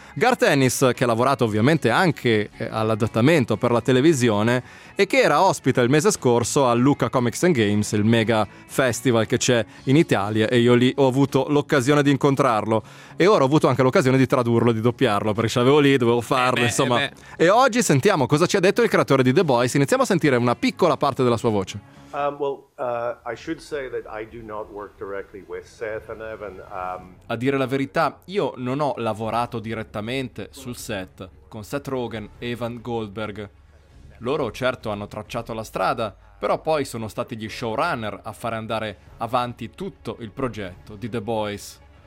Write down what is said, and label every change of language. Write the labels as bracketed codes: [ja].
[it] Garth Ennis, che ha lavorato ovviamente anche all'adattamento per la televisione e che era ospite il mese scorso al Lucca Comics and Games, il mega festival che c'è in Italia, e io lì ho avuto l'occasione di incontrarlo e ora ho avuto anche l'occasione di tradurlo, di doppiarlo, perché ce l'avevo lì, dovevo farlo, insomma. E oggi sentiamo cosa ci ha detto il creatore di The Boys. Iniziamo a sentire una piccola parte della sua voce. [en] I should say that I do not work directly with Seth and Evan. [it] A dire la verità, io non ho lavorato direttamente sul set con Seth Rogen e Evan Goldberg. Loro certo hanno tracciato la strada, però poi sono stati gli showrunner a fare andare avanti tutto il progetto di The Boys.